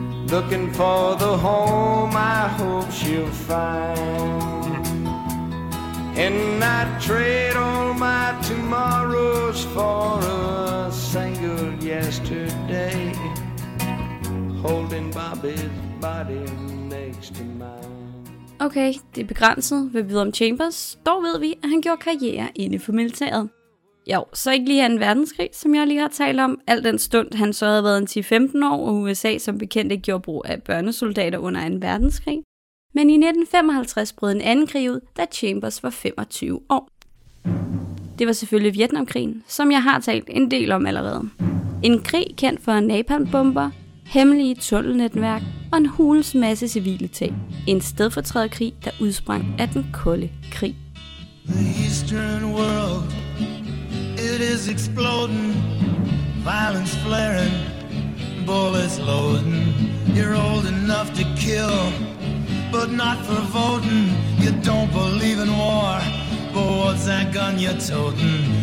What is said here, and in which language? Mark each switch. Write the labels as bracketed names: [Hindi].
[English] Looking for the home I hope she'll find. And I'd trade all my tomorrows for a single yesterday. Holding Bobby's body next to mine. [Danish] Okay, det er begrænset, hvad vi ved om Chambers. Dog ved vi, at han gjorde karriere inde for militæret. Jo, så ikke lige en verdenskrig, som jeg lige har talt om. Al den stund, han så havde været en 10-15 år, og USA som bekendt ikke gjorde brug af børnesoldater under 2. verdenskrig. Men i 1955 brød en anden krig ud, da Chambers var 25 år. Det var selvfølgelig Vietnamkrigen, som jeg har talt en del om allerede. En krig kendt for napalmbomber, hemmelige tunnelnetværk og en hulens masse civile tab. En stedfortræder krig, der udsprang af den kolde krig. [English] The Eastern world. It is exploding, violence flaring, bullets loading. You're old enough to kill, but not for voting. You don't believe in war, but what's that gun you're toting?